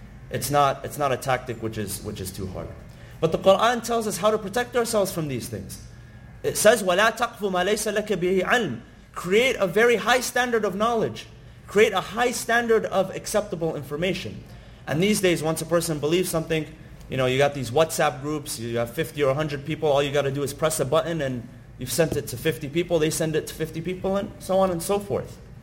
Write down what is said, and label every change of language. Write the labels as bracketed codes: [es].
[en] It's not a tactic which is too hard. But the Quran tells us how to protect ourselves from these things. It says, [ar] وَلَا تَقْفُ مَا لَيْسَ لَكَ بِهِ عَلْمٍ. [en] Create a very high standard of knowledge. Create a high standard of acceptable information. And these days, once a person believes something, you know, you got these WhatsApp groups, you have 50 or 100 people, all you got to do is press a button and you've sent it to 50 people, they send it to 50 people, and so on and so forth.